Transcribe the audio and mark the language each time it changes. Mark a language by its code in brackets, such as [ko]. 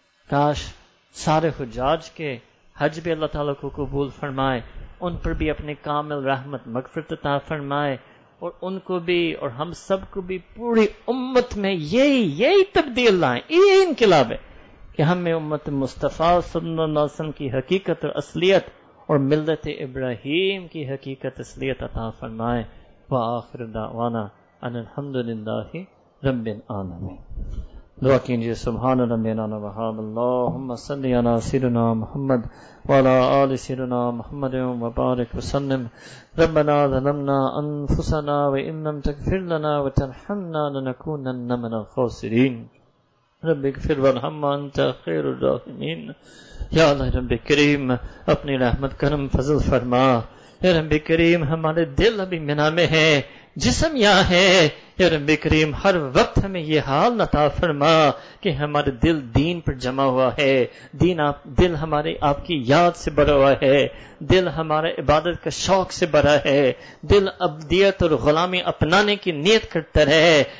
[ur] کاش سارے حجاج کے حج بھی اللہ تعالیٰ کو قبول فرمائے, ان پر بھی اپنے کامل رحمت مغفرت عطا فرمائے, اور ان کو بھی اور ہم سب کو بھی پوری امت میں یہی تبدیل لائیں, یہی انقلاب ہے کہ ہم میں امت مصطفیٰ صلی اللہ علیہ وسلم کی حقیقت اور اصلیت اور ملت ابراہیم کی حقیقت اصلیت عطا فرمائے. [ar] وآخر دعوانا ان الحمدللہ رب العالمین. [ur] دعا کیجیے, [ar] سبحان ربنا وبحمد اللهم صل على سيدنا محمد وعلى آل سيدنا محمد وبارك وسلم. ربنا ظلمنا انفسنا وان لم تغفر لنا وترحمنا لنكونن من الخاسرين. رب اغفر وارحم انت خير الراحمين. يا الله رب كريم [ur] اپنی رحمت کرم فضل فرما. [ar] يا رب كريم [ur] ہمارے دل ابھی منا میں ہے, جسم یہاں ہے. [ar] یا رب کریم [ur] ہر وقت ہمیں یہ حال عطا فرما کہ ہمارے دل دین پر جمع ہوا ہے, دین آپ دل ہمارے آپ کی یاد سے بھرا ہوا ہے, دل ہمارا عبادت کا شوق سے بھرا ہے, دل ابدیت اور غلامی اپنانے کی نیت کرتا رہے.